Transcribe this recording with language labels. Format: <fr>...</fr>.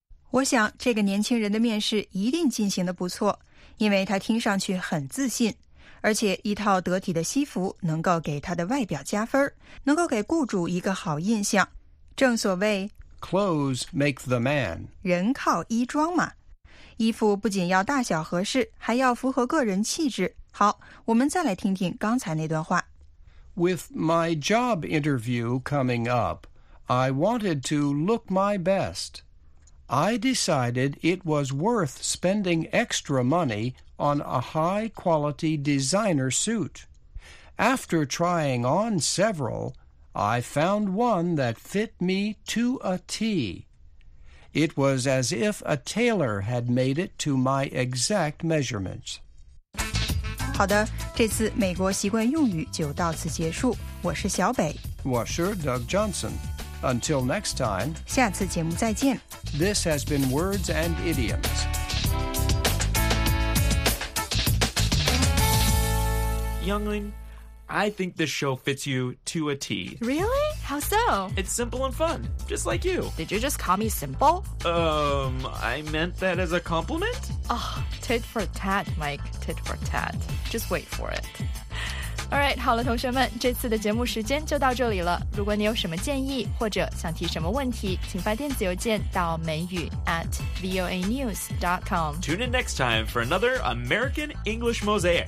<zh>我想这个年轻人的面试一定进行得不错，因为他听上去很自信，而且一套得体的西服能够给他的外表加分，能够给雇主一个好印象。正所谓</zh> <en>Clothes make the man，</en> <zh>人靠衣装嘛。衣服不仅要大小合适，还要符合个人气质。好，我们再来听听刚才那段话。</zh> <en>With my job interview coming up, I wanted to look my bestI decided it was worth spending extra money on a high-quality designer suit. After trying on several, I found one that fit me to a T. It was as if a tailor had made it to my exact measurements.</en> <zh>好的，这次美国习惯用语就到此结束。我是小北。我是 Doug Johnson。</zh> <en>Until next time,</en> <zh>下次节目再见。</zh> <en>This has been Words and Idioms. Younglin, I think this show fits you to a T. Really? How so? It's simple and fun, just like you. Did you just call me simple? I meant that as a compliment? Oh, tit for tat, Mike, tit for tat. Just wait for it. All right,</en> <zh>好了，同学们，这次的节目时间就到这里了。如果你有什么建议或者想提什么问题，请发电子邮件到美语@voanews.com.</zh> <en>Tune in next time for another American English Mosaic.</en>